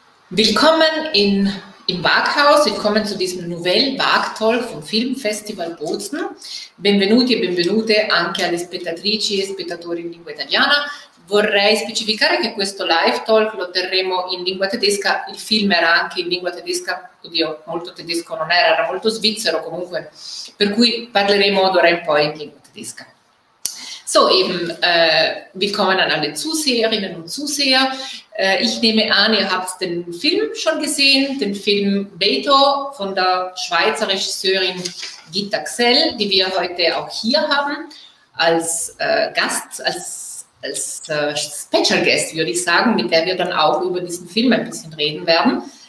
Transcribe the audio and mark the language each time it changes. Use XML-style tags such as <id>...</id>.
<de>Willkommen im Waghaus, willkommen zu diesem Nouvelle Vague Talk vom Filmfestival Bozen.</de> <it>Benvenuti e benvenute anche alle spettatrici e spettatori in lingua italiana. Vorrei specificare che questo live talk lo terremo in lingua tedesca, il film era anche in lingua tedesca, oddio, molto tedesco non era, era molto svizzero comunque, per cui parleremo d'ora in poi in lingua tedesca.</it> <de>So, eben, willkommen an alle Zuseherinnen und Zuseher. Ich nehme an, ihr habt den Film schon gesehen, den Film Beto von der Schweizer Regisseurin Gitta Xell, die wir heute auch hier haben, als Gast, als Special Guest, würde ich sagen, mit der wir dann auch über diesen Film ein bisschen reden werden.</de>